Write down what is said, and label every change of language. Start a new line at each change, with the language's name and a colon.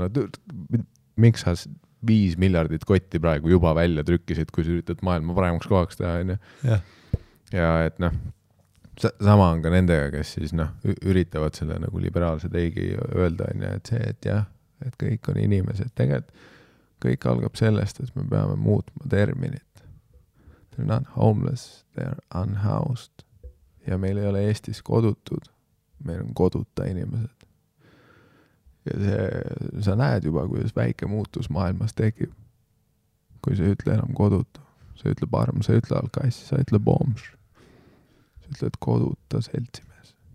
Estonian: No, miks sa 5 miljardit kotti praegu juba välja trükkisid, kui sa üritad maailma paremaks kohaks teha? Ja et noh, sama on ka nendega, kes siis noh, üritavad selle nagu liberaalse teigi öelda, et see, et jah, et kõik on inimesed. Tegelikult kõik algab sellest, et me peame muutma terminit.
English: They're not homeless, they're unhoused.
Estonian: Ja meil ei ole Eestis kodutud, meil on koduta inimesed. Ja see, sa näed juba, kuidas väike muutus maailmas tekib. Kui sa ütle enam koduta, sa ütle parm, sa ütle alkaisi, sa ütle bombs. Ütled koduta seltsimees.